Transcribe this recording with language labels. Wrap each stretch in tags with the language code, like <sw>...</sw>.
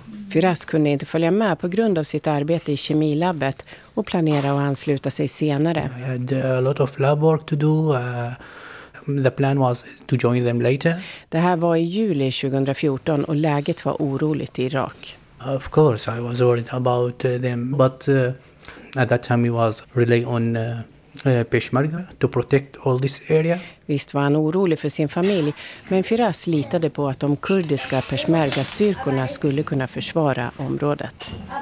<sv>Firas kunde inte följa med på grund av sitt arbete i kemilabbet och planerar att ansluta sig senare.</sv> <en>I had a lot of lab work to do. The plan was to join them later.</en> <sv>Det här var i juli 2014 och läget var oroligt i Irak.</sv> <en>Of course I was worried about them, but at that time it was really on Peshmerga to protect all this area.</en> <sv>Visst var han orolig för sin familj, men Firas litade på att de kurdiska Peshmerga styrkorna skulle kunna försvara området.</sv>